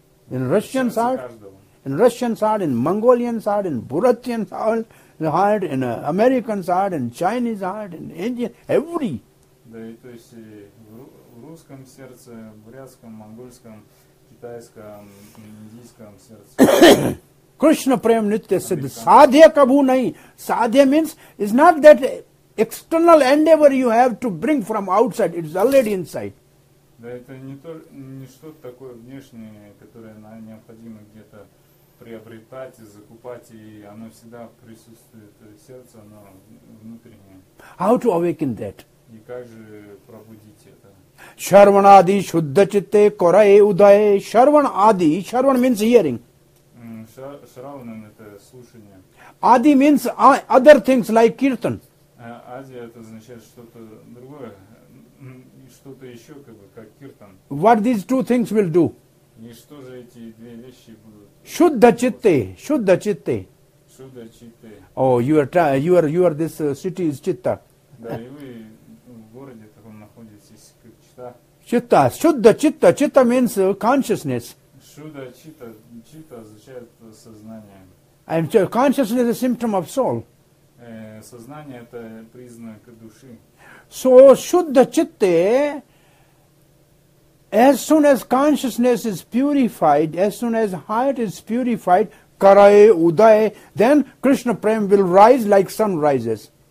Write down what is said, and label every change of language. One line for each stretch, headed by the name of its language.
English: In Russian side, in Mongolian side, in Buratian side, in American side, in Chinese side, in Indian, every.
Russian: Да, и то есть в русском сердце, бурятском, монгольском, китайском, индийском сердце.
Bangla: Krishna prem nitya siddha. Sadhya kabhu nahi.
English: Sadhya means, it's not that external endeavor you have to bring from outside, it's already inside.
Russian: Да, это не что-то такое внешнее, которое нам необходимо где-то приобретать и закупать, и оно всегда присутствует в сердце, оно внутреннее.
English: How to awaken that?
Russian: И как же пробудить это?
Bangla: Шарван ади шуддха читте корае удае. Шарван ади, шарван
English: means hearing.
Russian: Шраванам это слушание.
English: Ади means other things like kirtan.
Russian: Ади это означает что-то другое. Что-то еще, как бы, как киртан.
English: What these two things will do?
Russian: И что же эти две вещи будут?
Bangla: Шуддха читте, шуддха читте. Шуддха читте.
English: Oh, you are this city is читта.
Russian: Да, и вы в городе таком находитесь, как читта.
Bangla: Читта, шуддха читта,
English: читта means consciousness.
Bangla: Шуддха читта,
Russian: читта означает сознание.
English: And consciousness is a symptom of soul.
Russian: Сознание это признак души.
English: So
Bangla: Shuddha Chitte,
English: as soon as consciousness is purified, as soon as heart is purified,
Bangla: Karaye Udaye,
English: then Krishna Prem will rise like sun rises.